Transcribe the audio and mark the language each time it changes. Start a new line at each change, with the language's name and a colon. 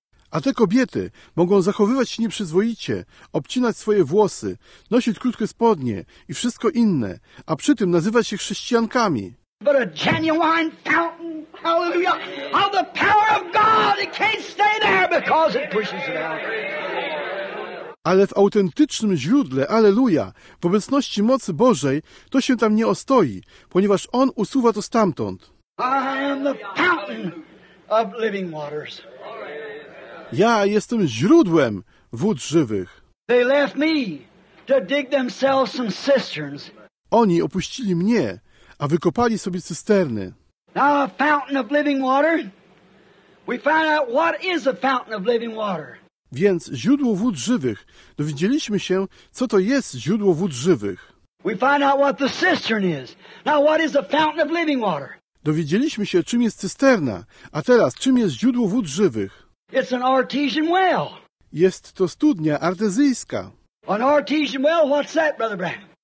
Polish: A te kobiety mogą zachowywać się nieprzyzwoicie, obcinać swoje włosy, nosić krótkie spodnie i wszystko inne, a przy tym nazywać się chrześcijankami.
English: But a genuine fountain, hallelujah, of the power of God. It can't stay there because it pushes it out.
Polish: Ale w autentycznym źródle, alleluja, w obecności mocy Bożej, to się tam nie ostoi, ponieważ On usuwa to stamtąd.
English: I am the fountain of living waters.
Polish: Ja jestem źródłem wód żywych.
English: They left me to dig themselves some cisterns.
Polish: Oni opuścili mnie, a wykopali sobie cysterny.
English: Now a fountain of living water. We find out what is a fountain of living water.
Polish: Więc źródło wód żywych. Dowiedzieliśmy się, co to jest źródło wód żywych.
English: We find out what the cistern is. Now what is a fountain of living water?
Polish: Dowiedzieliśmy się, czym jest cysterna. A teraz, czym jest źródło wód żywych?
English: It's an artesian well.
Polish: Jest to studnia artezyjska.
English: An artesian well, what's that, Brother Branham?